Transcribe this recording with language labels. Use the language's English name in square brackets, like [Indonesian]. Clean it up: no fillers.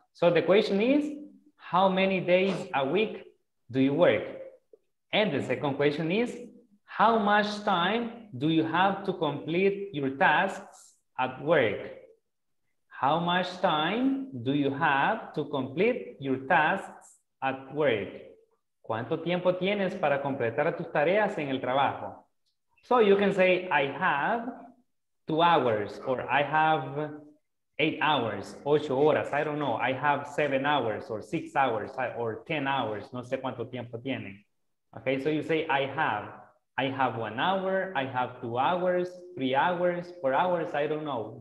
[English] So the question is, how many days a week do you work? And the second question is, how much time do you have to complete your tasks at work? How much time do you have to complete your tasks at work? [Spanish] ¿Cuánto tiempo tienes para completar tus tareas en el trabajo? [English] So you can say, I have 2 hours, or I have 8 hours, [Spanish] 8 horas, [English] I don't know. I have 7 hours, or 6 hours, or 10 hours, [Spanish] no sé cuánto tiempo tiene. [English] Okay, so you say, I have 1 hour, I have 2 hours, 3 hours, 4 hours, I don't know.